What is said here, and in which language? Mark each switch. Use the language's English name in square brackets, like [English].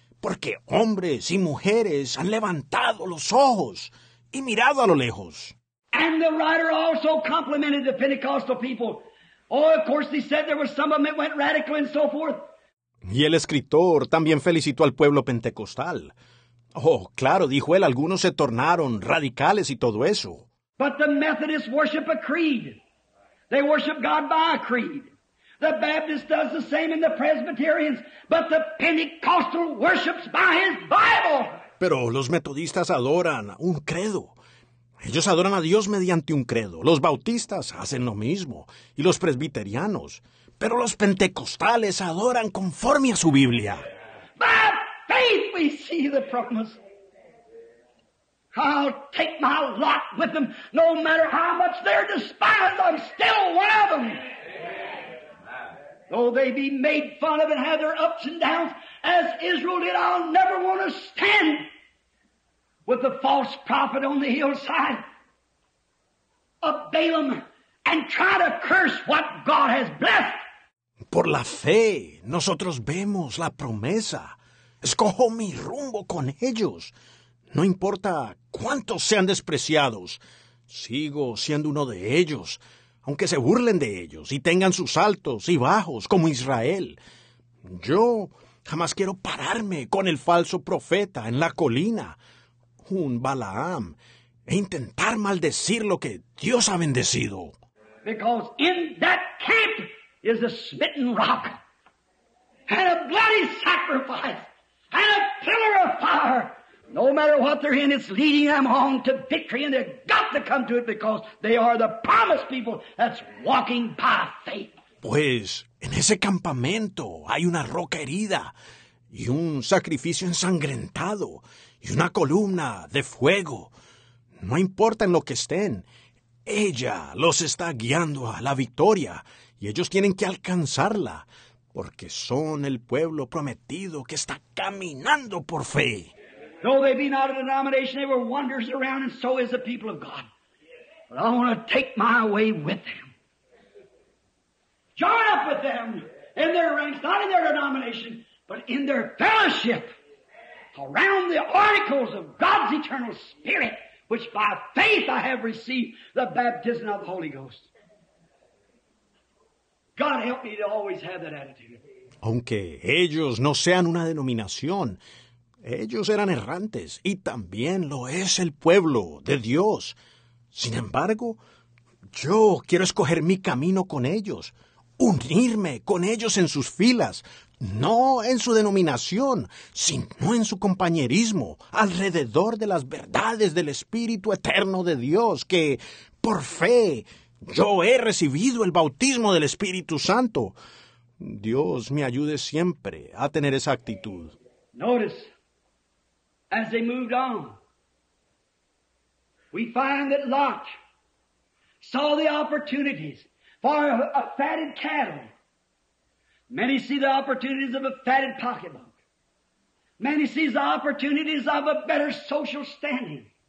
[Spanish] Porque hombres y mujeres han levantado los ojos y mirado a lo lejos. [English] And the writer also complimented the Pentecostal people. Oh, of course, he said there were some of them that went radical and so forth. [Spanish] Y el escritor también felicitó al pueblo pentecostal. Oh, claro, dijo él, algunos se tornaron radicales y todo eso. [English] But the Methodists worship a creed. They worship God by a creed. The Baptist does the same in the Presbyterians, but the Pentecostal worships by his Bible. [Spanish] Pero los metodistas adoran un credo. Ellos adoran a Dios mediante un credo. Los bautistas hacen lo mismo, y los presbiterianos. Pero los pentecostales adoran conforme a su Biblia. [English] By faith we see the promise. I'll take my lot with them, no matter how much they're despised, I'm still one of them. Though they be made fun of and have their ups and downs, as Israel did, I'll never want to stand with the false prophet on the hillside of Balaam and try to curse what God has blessed. [Spanish] Por la fe, nosotros vemos la promesa. Escojo mi rumbo con ellos. No importa cuántos sean despreciados, sigo siendo uno de ellos. Aunque se burlen de ellos y tengan sus altos y bajos como Israel, yo jamás quiero pararme con el falso profeta en la colina, un Balaam, e intentar maldecir lo que Dios ha bendecido. [English] Because in that camp is a smitten rock, and a bloody sacrifice, and a pillar of fire. No matter what they're in, it's leading them on to victory, and they've got to come to it because they are the promised people that's walking by faith. [Spanish] Pues, en ese campamento hay una roca herida, y un sacrificio ensangrentado, y una columna de fuego. No importa en lo que estén, ella los está guiando a la victoria, y ellos tienen que alcanzarla, porque son el pueblo prometido que está caminando por fe. [English] Though they be not a denomination, they were wanderers around, and so is the people of God. But I want to take my way with them. Join up with them in their ranks, not in their denomination, but in their fellowship around the articles of God's eternal Spirit, which by faith I have received the baptism of the Holy Ghost. God help me to always have that attitude. [Spanish] Aunque ellos no sean una denominación, ellos eran errantes, y también lo es el pueblo de Dios. Sin embargo, yo quiero escoger mi camino con ellos, unirme con ellos en sus filas, no en su denominación, sino en su compañerismo, alrededor de las verdades del Espíritu Eterno de Dios, que, por fe, yo he recibido el bautismo del Espíritu Santo. Dios me ayude siempre a tener esa actitud. [English] Notice. As they moved on, we find that Lot saw the opportunities for a fatted cattle. Many see the opportunities of a fatted pocketbook. Many see the opportunities of a better social standing.